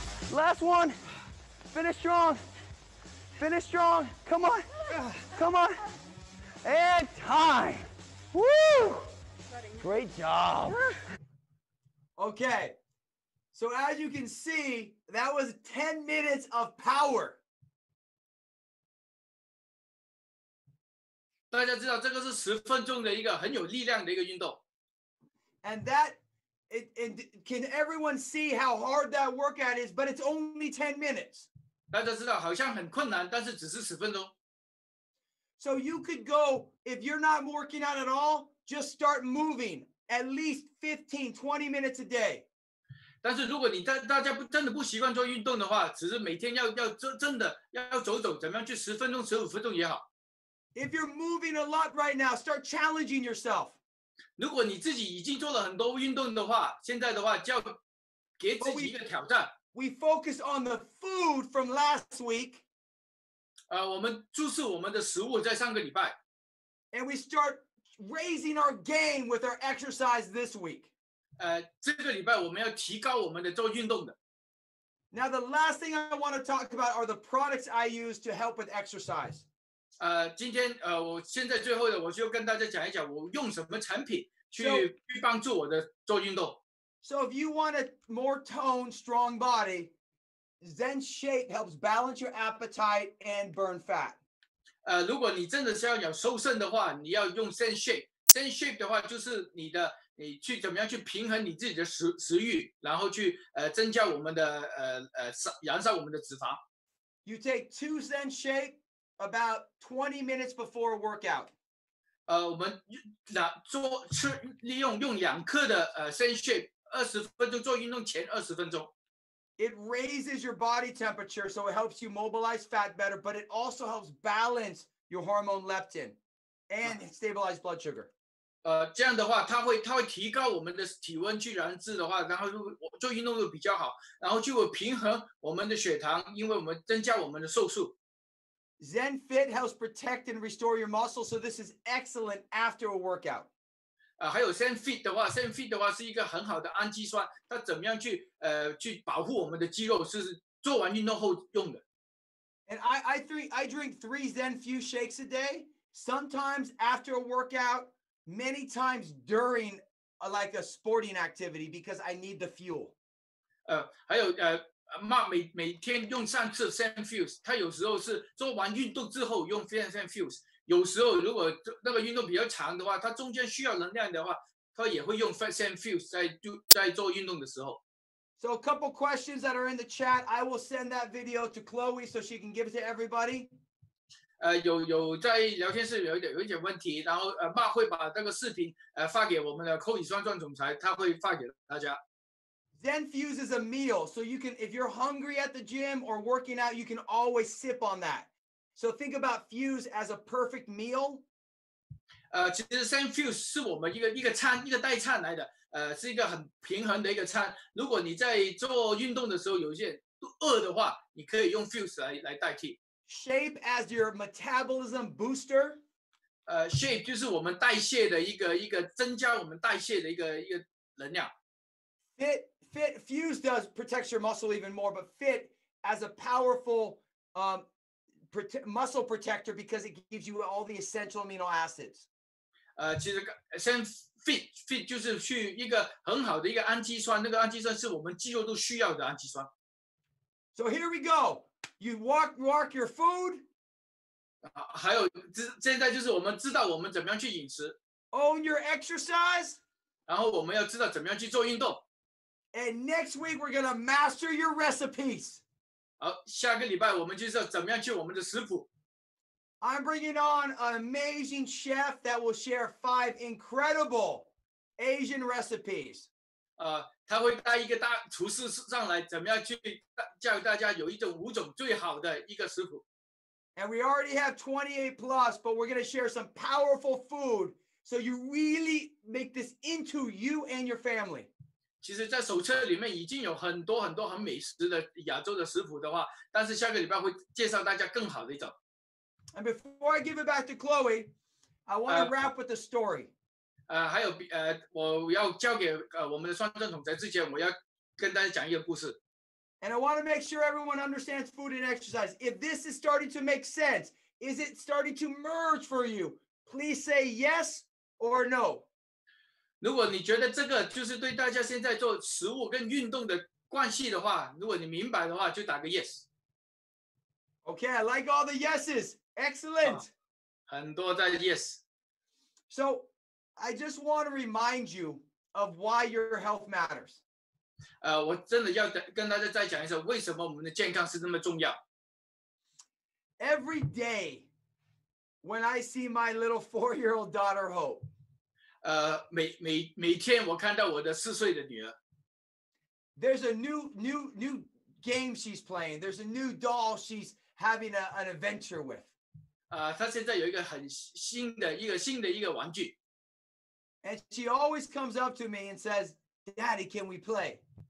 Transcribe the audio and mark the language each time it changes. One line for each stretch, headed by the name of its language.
English: Last one, finish strong. Finish strong, come on, come on. And time, woo! Great job. Okay, so as you can see, that was 10 minutes of power.
Chinese: 大家知道这个是十分钟的一个很有力量的一个运动。
English: And that, can everyone see how hard that workout is, but it's only 10 minutes.
Chinese: 大家知道好像很困难但是只是十分钟。
English: So you could go, if you're not working out at all, just start moving at least 15, 20 minutes a day.
Chinese: 但是如果你大家真的不习惯做运动的话只是每天 要走走怎么样去十分钟十五分钟也好。
English: If you're moving a lot right now, start challenging yourself.
Chinese: 如果你自己已经做了很多运动的话现在的话就要给自己一个挑战。
English: We focused on the food from last week.
Chinese: 我们注视我们的食物在上个礼拜。
English: And we start raising our game with our exercise this week.
Chinese: 这个礼拜我们要提高我们的做运动的。
English: Now the last thing I want to talk about are the products I use to help with exercise.
Chinese: 今天我现在最后的我就跟大家讲一讲我用什么产品去帮助我的做运动。
English: So if you want a more toned, strong body, Zen Shape helps balance your appetite and burn fat.
Chinese: 如果你真的是要瘦身的话，你要用 Zen Shape. Zen Shape 的话就是你去怎么样去平衡你自己的食欲，然后去增加我们的燃烧我们的脂肪。
English: You take 2 Zen Shape about 20 minutes before a workout.
Chinese: 我们做吃利用用两克的Zen Shape。 20分钟做运动前20分钟
English: It raises your body temperature, so it helps you mobilize fat better, but it also helps balance your hormone leptin and stabilize blood sugar.
Chinese: 这样的话它会提高我们的体温去燃脂的话然后做运动会比较好然后就会平衡我们的血糖因为我们增加我们的瘦素
English: Zen Fit helps protect and restore your muscle, so this is excellent after a workout.
Chinese: 还有 Zen Fit 的话 ，Zen Fit 的话是一个很好的氨基酸，它怎么样去保护我们的肌肉，是做完运动后用的。
English: And I drink 3 Zen Fuse shakes a day. Sometimes after a workout, many times during like a sporting activity because I need the fuel.
Chinese: 还有Mark 每天用3次 Zen Fuse， 他有时候是做完运动之后用 Zen Fuse。有时候如果那个运动比较长的话它中间需要能量的话它也会用 Zen Fuse 在做运动的时候。
English: So a couple questions that are in the chat, I will send that video to Chloe so she can give it to everybody.
Chinese: 有在聊天室有点问题然后Mark 会把这个视频发给我们的Chloe双钻总裁他会发给大家。
English: Zen Fuse is a meal, so you can, if you're hungry at the gym or working out, you can always sip on that. So think about Fuse as a perfect meal.
Chinese: 其实 Zen Fuse 是我们一个餐一个代餐来的，是一个很平衡的一个餐。如果你在做运动的时候有些饿的话，你可以用 Fuse 来代替。
English: Shape as your metabolism booster.
Chinese: Shape 就是我们代谢的一个增加我们代谢的一个能量。
English: Fit Fuse does protect your muscle even more, but Fit as a powerful muscle protector because it gives you all the essential amino acids.
Chinese: 其实 Zen Fit 就是去一个很好的一个氨基酸，那个氨基酸是我们肌肉都需要的氨基酸。
English: So here we go. You walk your food.
Chinese: 还有现在就是我们知道我们怎么样去饮食。
English: Own your exercise.
Chinese: 然后我们要知道怎么样去做运动。
English: And next week we're going to master your recipes.
Chinese: 好，下个礼拜我们就是要怎么样去我们的食谱。
English: I'm bringing on an amazing chef that will share 5 incredible Asian recipes.
Chinese: 他会带一个大厨师上来，怎么样去教大家有一种五种最好的一个食谱。
English: And we already have 28 plus, but we're going to share some powerful food so you really make this into you and your family.
Chinese: 其实在手册里面已经有很多很多很美食的亚洲的食谱的话，但是下个礼拜会介绍大家更好的一种。
English: And before I give it back to Chloe, I want to wrap with a story.
Chinese: 还有我要交给我们的双钻总裁之前，我要跟大家讲一个故事。
English: And I want to make sure everyone understands food and exercise. If this is starting to make sense, is it starting to merge for you? Please say yes or no.
Chinese: 如果你觉得这个就是对大家现在做食物跟运动的关系的话，如果你明白的话，就打个 yes.
English: Okay, I like all the yeses. Excellent.
Chinese: 很多在 yes.
English: So I just want to remind you of why your health matters.
Chinese: 我真的要跟大家再讲一下为什么我们的健康是那么重要。
English: Every day when I see my little 4-year-old daughter Hope.
Chinese: 每天我看到我的四岁的女儿。
English: There's a new game she's playing. There's a new doll she's having an adventure with.
Chinese: 她现在有一个很新的一个玩具。
English: And she always comes up to me and says, Daddy, can we play?